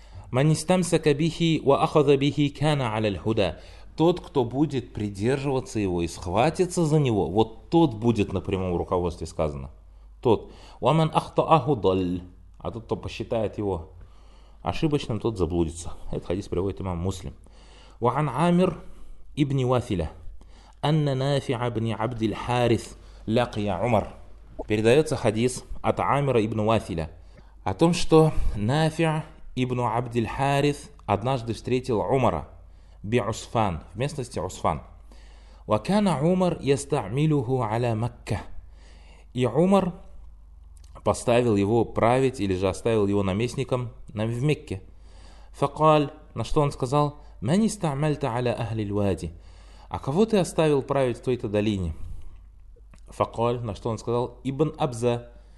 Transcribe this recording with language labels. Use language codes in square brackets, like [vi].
[ar] Манистамсака бихи ва ахаза бихи кана аляль худа. [ru] Тот, кто будет придерживаться его и схватиться за него, вот тот будет на прямом руководстве сказано. Тот. [ar] Ва ман ахтааху даль. [ru] А тот, кто посчитает его ошибочным, тот заблудится. Этот хадис приводит имам Муслим. [ar] وعن عامر ابن وافلة أن نافع بن عبد الحارث لقي عمر. [ru] Передается хадис от Амира ибн Вафиля о том, что Нафиа ибн Абд аль-Харис однажды встретил Умара би Усфан, в местности Усфан. [ar] وكان عمر يستعمله على مكة. [ru] И Умар поставил его править или же оставил его наместником в Мекке. Факаль, на что он сказал, [ar] «Мэни стаамальта аля ахли львади». [ru] «А кого ты оставил править в той-то долине?» Факаль, на что он сказал, «Ибн Абза».